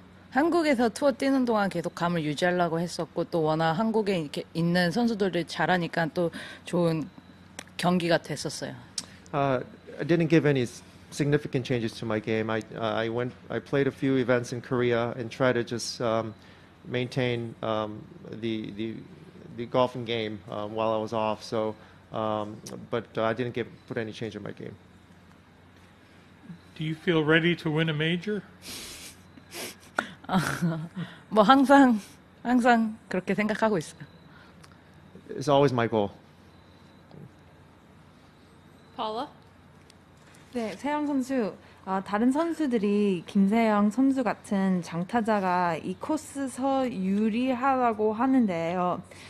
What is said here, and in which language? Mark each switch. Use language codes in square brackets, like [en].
[ko] 한국에서 투어 뛰는 동안 계속 감을 유지하려고 했었고 또 워낙 한국에 이렇게 있는 선수들이 잘하니까 또 좋은 경기가 됐었어요. [en] I didn't give any significant changes to my game. I played a few events in Korea and tried to just maintain the golfing game while I was off. So, I didn't put any change in my game. Do you feel ready to win a major? [ko] 뭐 항상 그렇게 생각하고 있어요. [en] It's always my goal. Paula? [ko] 네, 세영 선수. 다른 선수들이 김세영 선수 같은 장타자가 이 코스에서 유리하다고 하는데요.